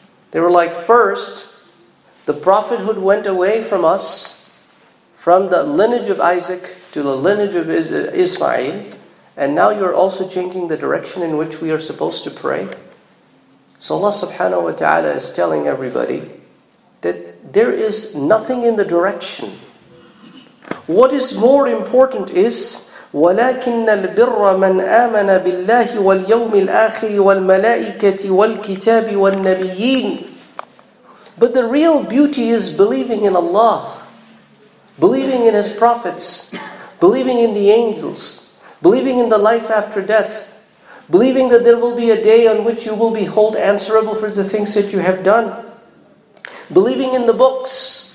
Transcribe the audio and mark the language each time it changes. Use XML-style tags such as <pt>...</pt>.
<en>They were like, first, the prophethood went away from us, from the lineage of Isaac to the lineage of Ismail, and now you're also changing the direction in which we are supposed to pray. So Allah subhanahu wa ta'ala is telling everybody that there is nothing in the direction. What is more important is,</en> <ar>وَلَكِنَّ الْبِرَّ مَنْ آمَنَ بِاللَّهِ وَالْيَوْمِ الْآخِرِ وَالْمَلَائِكَةِ وَالْكِتَابِ وَالنَّبِيِّينَ.</ar> <en>But the real beauty is believing in Allah, believing in His prophets, believing in the angels, believing in the life after death, believing that there will be a day on which you will be held answerable for the things that you have done, believing in the books.</en>